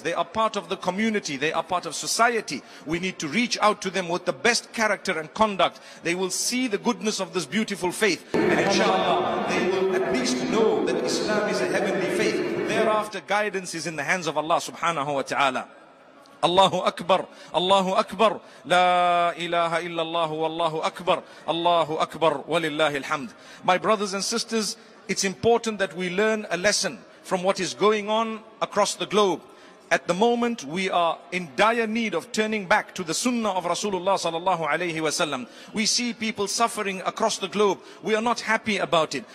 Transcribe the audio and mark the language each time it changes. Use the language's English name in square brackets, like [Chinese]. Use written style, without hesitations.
[English] They are part of the community. They are part of society. We need to reach out to them with the best character and conduct. They will see the goodness of this beautiful faith. And inshallah, they will at least know that Islam is a heavenly faith. Thereafter, guidance is in the hands of Allah subhanahu wa ta'ala. [Arabic] الله أكبر، الله أكبر، لا إله إلا الله والله أكبر، الله أكبر ولله الحمد. [English] My brothers and sisters, it's important that we learn a lesson from what is going on across the globe. At the moment, we are in dire need of turning back to the sunnah of Rasulullah sallallahu alayhi wa sallam. We see people suffering across the globe. We are not happy about it.